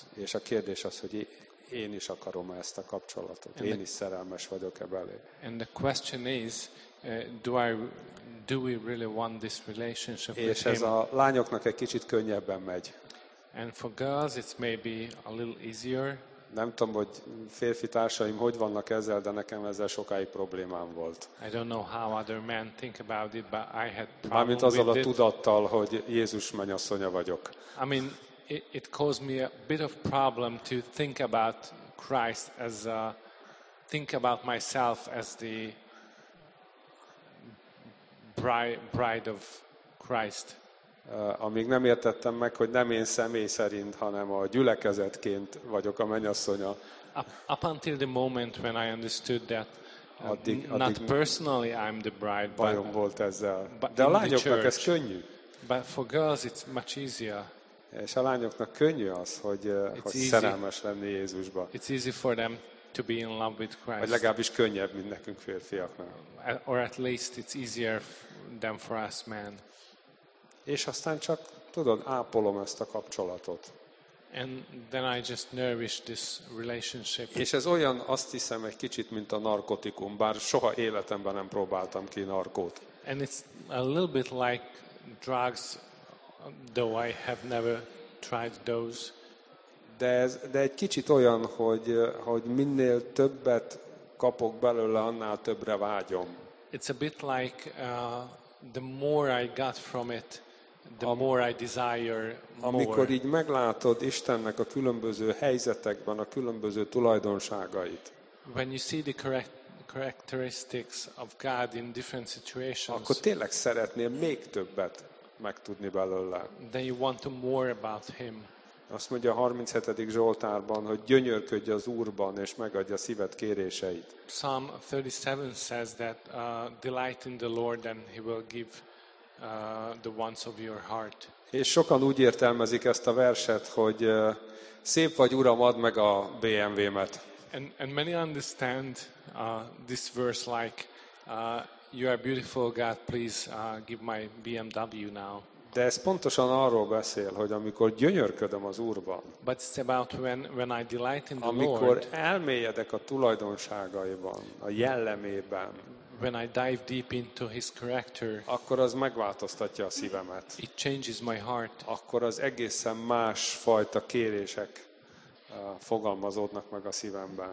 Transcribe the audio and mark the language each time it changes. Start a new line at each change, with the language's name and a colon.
Hungarian: És a kérdés az, hogy én is akarom ezt a kapcsolatot. And én is szerelmes vagyok-e belé.
English: And the question is, do we really want this relationship with him?
Hungarian: És ez a lányoknak egy kicsit könnyebben megy.
English: And for girls it's maybe a little easier.
Hungarian: Nem tudom, hogy férfi társaim hogy vannak ezzel, de nekem ezzel sokáig problémám volt.
English: I don't know how other men think about it, but I had problems.
Hungarian: Mármint azzal a tudattal, hogy Jézus menyasszonya vagyok.
English: I mean, it caused me a bit of problem to think about Christ as think about myself as the bride of Christ.
Hungarian: Amíg nem értettem meg, hogy nem én személy szerint, hanem a gyülekezetként vagyok a mennyasszonya.
English: Up until the moment when I understood that not personally I'm the bride,
Hungarian: bajom volt ezzel. De a lányoknak ez könnyű.
English: But for girls it's much easier.
Hungarian: És a lányoknak könnyű az, hogy szerelmes lenni Jézusba.
English: It's easy for them to be in love with Christ.
Hungarian: Vagy legalábbis könnyebb, mint nekünk férfiaknak.
English: Or at least it's easier than for us men.
Hungarian: És aztán csak, tudod, ápolom ezt a kapcsolatot.
English: And then I just nourish this relationship.
Hungarian: És ez olyan, azt hiszem, egy kicsit, mint a narkotikum, bár soha életemben nem próbáltam ki narkót.
English: And it's a little bit like drugs, though I have never tried those.
Hungarian: De egy kicsit olyan, hogy minél többet kapok belőle, annál többre vágyom.
English: It's a bit like the more I got from it, the more I desire more.
Hungarian: Amikor így meglátod Istennek a különböző helyzetekben a különböző tulajdonságait.
English: When you see the correct characteristics of God in different situations.
Hungarian: Akkor tényleg szeretnél még többet megtudni belőle.
English: Then you want to more about him.
Hungarian: Azt mondja a 37. Zsoltárban, hogy gyönyörködj az Úrban és megadja szíved kéréseit.
English: Psalm 37 says that delight in the Lord and he will give the wants of your heart.
Hungarian: És sokan úgy értelmezik ezt a verset, hogy szép vagy Uram, add meg a BMW-met.
English: And many understand this verse like you are beautiful God, please give my BMW now.
Hungarian: De ez pontosan arról beszél, hogy amikor gyönyörködöm az Úrban.
English: But it's about when I delight in the Lord.
Hungarian: Amikor elmélyedek a tulajdonságaiban, a jellemében.
English: When I dive deep into his character.
Hungarian: Akkor az megváltoztatja a szívemet.
English: It changes my heart.
Hungarian: Akkor az egészen más fajta kérések fogalmazódnak meg a szívemben.